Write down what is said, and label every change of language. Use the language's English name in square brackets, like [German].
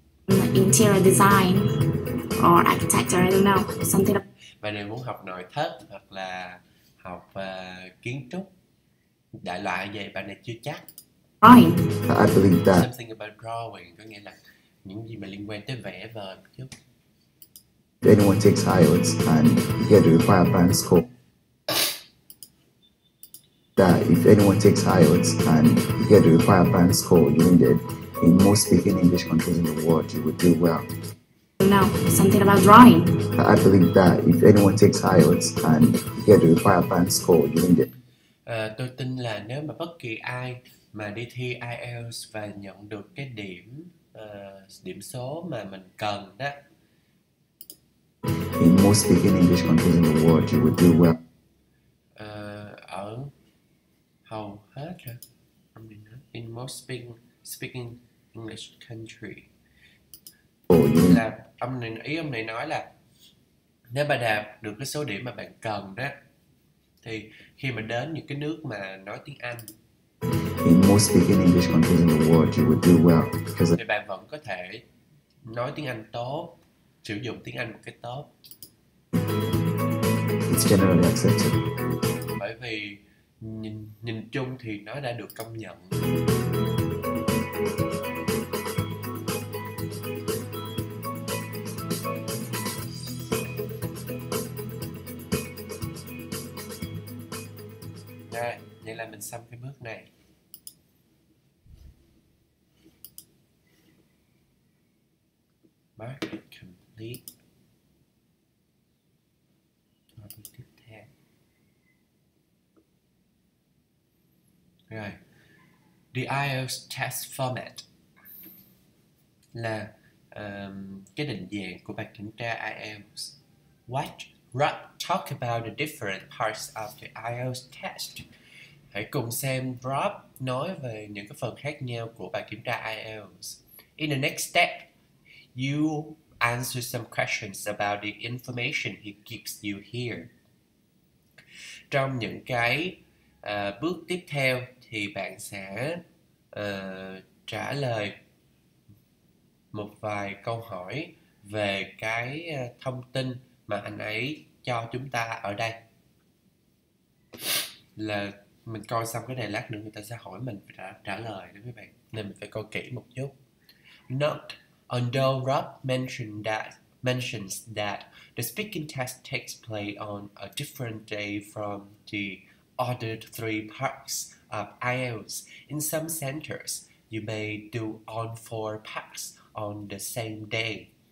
[English] take course in America. Interior design or [Vietnamese] Bạn này muốn học nội thất hoặc là học kiến trúc. Đại loại vậy, bạn này chưa chắc. [English] architecture, I don't know, something. Drawing. Something about drawing, [Vietnamese] có nghĩa là những gì mà liên quan tới vẽ vời một chút. [English] Anyone takes IELTS and get to require advanced score. That if anyone takes IELTS and get to require advanced score, you need it in most speaking English countries in the world, you would do well. No, something about drawing. I believe that if anyone takes IELTS and get to require advanced score, you need it. [Vietnamese] Tôi tin là nếu mà bất kỳ ai mà đi thi IELTS và nhận được cái điểm điểm số mà mình cần đó [English] In most speaking English countries in the world, you would do well. [Vietnamese] ở hầu hết hả? [English] In most speaking English country. [Vietnamese] Là ông này, ý ông này nói là nếu mà đạt được cái số điểm mà bạn cần đó thì khi mà đến những cái nước mà nói tiếng Anh [English] Speaking English countries in the world, you would do well because [Vietnamese] thì bạn vẫn có thể nói tiếng Anh tốt, sử dụng tiếng Anh một cách tốt. [English] It's [Vietnamese] Bởi vì nhìn chung thì nó đã được công nhận. Đây, vậy là mình xong cái bước này. [English] Mark it complete. [Vietnamese] Topic tiếp theo. Rồi. [English] The IELTS test format [Vietnamese] là cái định dạng của bài kiểm tra IELTS. [English] What? Right, talk about the different parts of the IELTS test. [Vietnamese] Hãy cùng xem Rob nói về những cái phần khác nhau của bài kiểm tra IELTS. [English] In the next step, you answer some questions about the information he gives you here. [Vietnamese] Trong những cái bước tiếp theo thì bạn sẽ trả lời một vài câu hỏi về cái thông tin mà anh ấy cho chúng ta ở đây. Là mình coi xong cái này lát nữa người ta sẽ hỏi mình trả lời đúng các bạn. Nên mình phải coi kỹ một chút. [English] Note, although Rob mentions that the speaking test takes place on a different day from the other three parts of IELTS, in some centers, you may do all four parts on the same day.